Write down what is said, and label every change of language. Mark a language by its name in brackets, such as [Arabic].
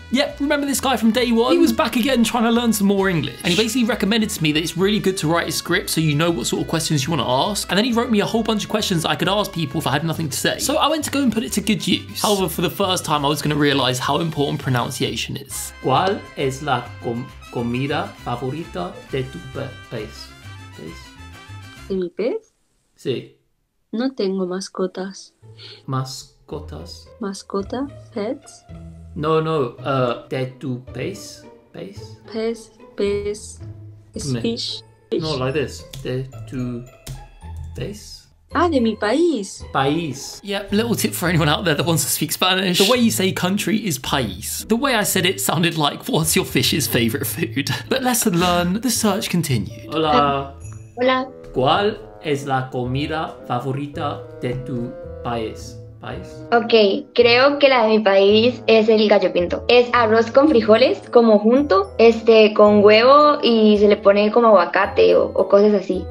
[English] Yep, remember this guy from day one? He was back again trying to learn some more English. And he basically recommended to me that it's really good to write a script so you know what sort of questions you want to ask. And then he wrote me a whole bunch of questions I could ask people if I had nothing to say. So I went to go and put it to good use. However, for the first time, I was going to realize how important pronunciation is. [Spanish] ¿Cuál es la comida favorita de tu pez? ¿Pez? ¿Mi pez? Sí. No tengo mascotas. ¿Mascotas? ¿Mascota? ¿Pets? No, no, de tu pez, pez? Pez, pez, fish. No, [English] like this, [Spanish] de tu pez? Ah, de mi país. País. [English] Yeah, little tip for anyone out there that wants to speak Spanish. The way you say country is país. The way I said it sounded like, what's your fish's favorite food? But lesson learned, the search continued. [Spanish] Hola. Hola. ¿Cuál es la comida favorita de tu país? Ok, creo que la de mi país es el gallo pinto. Es arroz con frijoles, como junto, con huevo y se le pone como aguacate o cosas así.